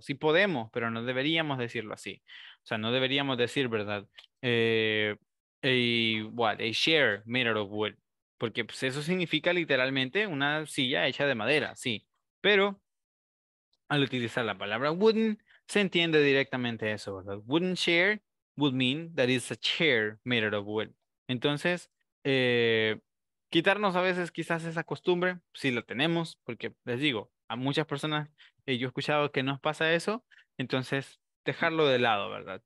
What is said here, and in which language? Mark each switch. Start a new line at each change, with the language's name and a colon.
Spanish: Sí podemos, pero no deberíamos decirlo así. O sea, no deberíamos decir, ¿verdad?
English: A chair made out of wood,
Spanish: porque pues, eso significa literalmente una silla hecha de madera, sí. Pero al utilizar la palabra wooden, se entiende directamente eso, ¿verdad?
English: Wooden chair would mean that it's a chair made out of wood.
Spanish: Entonces, quitarnos a veces quizás esa costumbre, si la tenemos, porque les digo, a muchas personas yo he escuchado que nos pasa eso, entonces dejarlo de lado, ¿verdad?